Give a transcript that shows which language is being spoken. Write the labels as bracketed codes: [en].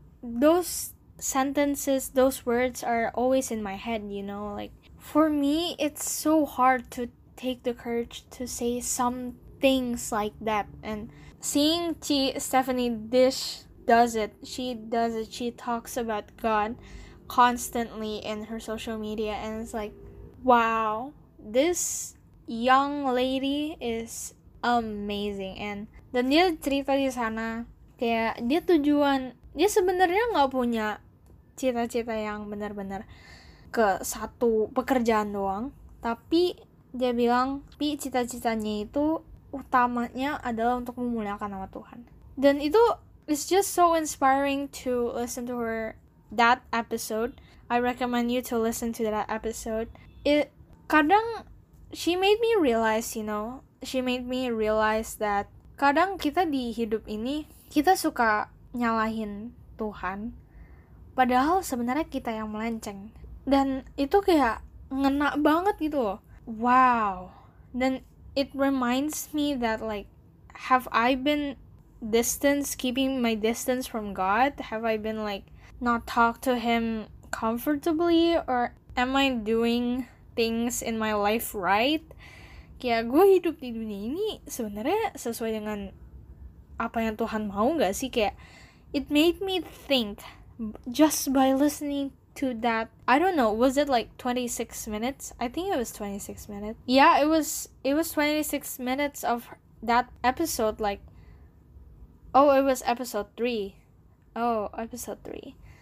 [en] Those sentences, those words are always in my head, you know, like for me it's so hard to take the courage to say some things like that. And seeing Stephanie Dish does it, she talks about God constantly in her social media, and it's like, wow, this young lady is amazing. [id] And dan dia cerita di sana kayak dia tujuan, dia sebenarnya nggak punya cita-cita yang benar-benar ke satu pekerjaan doang, tapi dia bilang cita-citanya itu utamanya adalah untuk memuliakan nama Tuhan. Dan itu, [en] it's just so inspiring to listen to her, that episode. I recommend you to listen to that episode. [id] Kadang, [en] she made me realize, you know, she made me realize that [id] kadang kita di hidup ini, kita suka nyalahin Tuhan, padahal sebenarnya kita yang melenceng. Dan itu kayak ngena banget gitu loh. Wow. [en] Dan it reminds me that, like, have I been distance, keeping my distance from God? Have I been, like, not talk to Him comfortably? Or am I doing things in my life right? [id] Kayak gue hidup di dunia ini sebenarnya sesuai dengan apa yang Tuhan mau gak sih? [en] Kayak, it made me think just by listening to that. I don't know, was it like 26 minutes? I think it was 26 minutes. Yeah, it was 26 minutes of that episode. Like, oh, it was episode 3. Oh, episode 3.